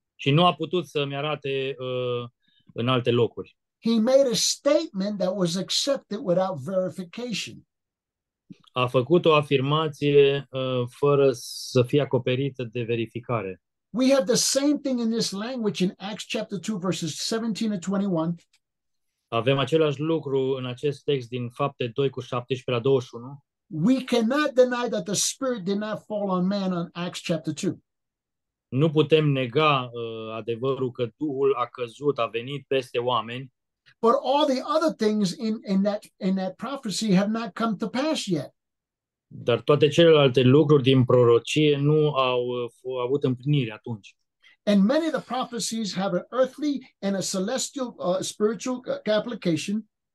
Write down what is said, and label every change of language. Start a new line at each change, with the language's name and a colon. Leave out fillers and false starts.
Romanian: Și nu a putut să-mi arate în alte locuri.
English: He made a statement that was accepted without verification.
Romanian: A făcut o afirmație fără să fie acoperită de verificare.
English: We have the same thing in this language in Acts chapter 2 verses 17 to 21.
Romanian: Avem același lucru în acest text din Fapte 2 cu 17 la 21.
English: We cannot deny that the Spirit did not fall on man on Acts chapter 2.
Romanian: Nu putem nega adevărul că Duhul a căzut, a venit peste oameni.
English: But all the other things in that prophecy have not come to pass yet.
Romanian: Dar toate celelalte lucruri din prorocie nu au avut împlinire atunci.
English: And many of the prophecies have an earthly and a celestial spiritual application.